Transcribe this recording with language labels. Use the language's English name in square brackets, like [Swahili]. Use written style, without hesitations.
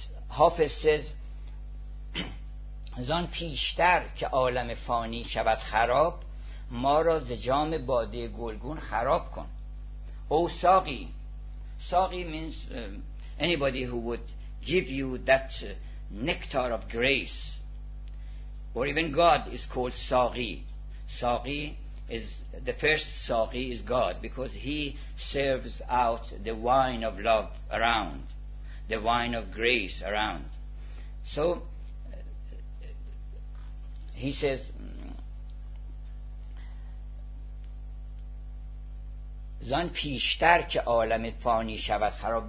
[English] Hafez says, [Persian] زان پیشتر که عالم فانی شود خراب، ما را ز جام باده گلگون خراب کن. او ساقی، [English] ساقی means anybody who would give you that nectar of grace, or even God is called ساقی. ساقی is the first ساقی is God, because he serves out the wine of love around, the wine of grace around. So he says, [Persian] زان پیشتر که عالم فانی شود خراب.